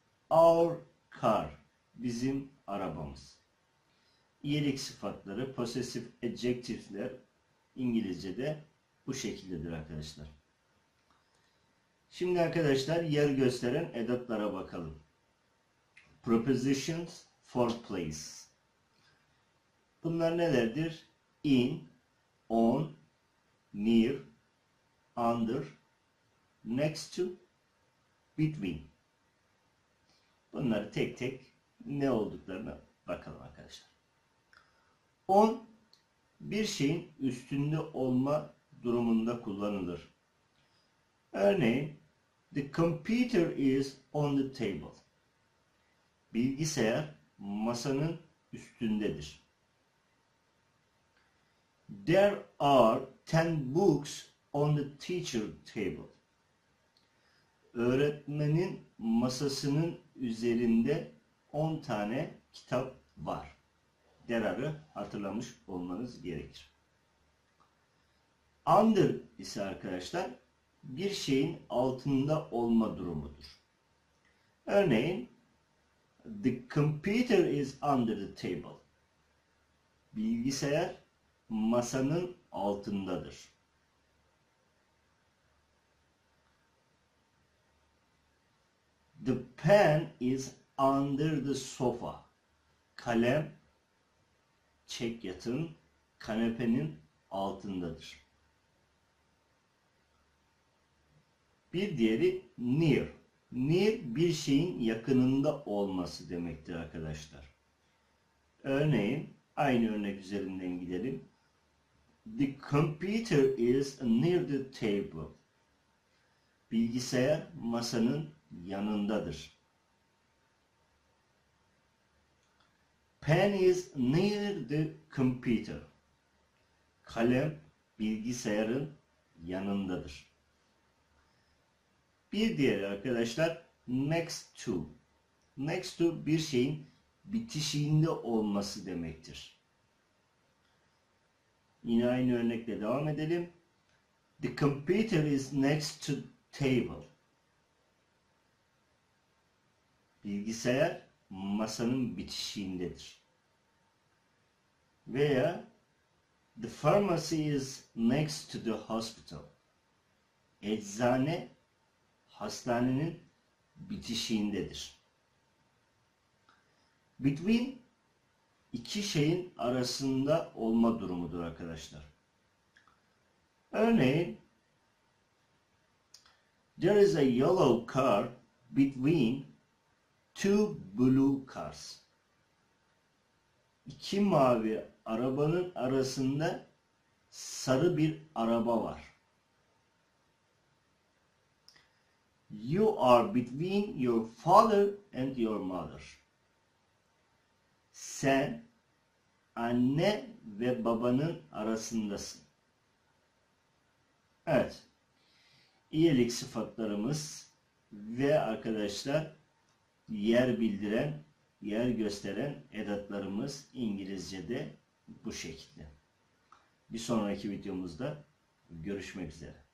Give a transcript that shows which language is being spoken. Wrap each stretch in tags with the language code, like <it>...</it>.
<en>Our car.</en> <tr>Bizim arabamız. İyilik sıfatları, possessive adjectives'ler İngilizce'de bu şekildedir arkadaşlar. Şimdi arkadaşlar yer gösteren edatlara bakalım.</tr> <en>Prepositions for place.</en> <tr>Bunlar nelerdir?</tr> <en>In, on, near, under, next to, between.</en> <tr>Bunları tek tek ne olduklarına bakalım arkadaşlar. On, bir şeyin üstünde olma durumunda kullanılır. Örneğin,</tr> <en>the computer is on the table.</en> <tr>Bilgisayar masanın üstündedir.</tr> <en>There are 10 books on the teacher table.</en> <tr>Öğretmenin masasının üzerinde 10 tane kitap var. Derarı hatırlamış olmanız gerekir. Under ise arkadaşlar bir şeyin altında olma durumudur. Örneğin,</tr> <en>the computer is under the table.</en> <tr>Bilgisayar masanın altındadır.</tr> <en>The pen is under the sofa.</en> <tr>Kalem çek yatın kanepenin altındadır. Bir diğeri near. Near bir şeyin yakınında olması demektir arkadaşlar. Örneğin aynı örnek üzerinden gidelim.</tr> <en>The computer is near the table.</en> <tr>Bilgisayar masanın yanındadır.</tr> <en>Pen is near the computer.</en> <tr>Kalem bilgisayarın yanındadır. Bir diğeri arkadaşlar next to. Next to bir şeyin bitişiğinde olması demektir. Yine aynı örnekle devam edelim.</tr> <en>The computer is next to table.</en> <tr>Bilgisayar masanın bitişiğindedir. Veya</tr> <en>the pharmacy is next to the hospital.</en> <tr>Eczane hastanenin bitişiğindedir. Between iki şeyin arasında olma durumudur arkadaşlar. Örneğin</tr> <en>there is a yellow car between two blue cars.</en> <tr>İki mavi arabanın arasında sarı bir araba var.</tr> <en>You are between your father and your mother.</en> <tr>Sen anne ve babanın arasındasın. Evet. İyilik sıfatlarımız ve arkadaşlar yer bildiren, yer gösteren edatlarımız İngilizce'de bu şekilde. Bir sonraki videomuzda görüşmek üzere.</tr>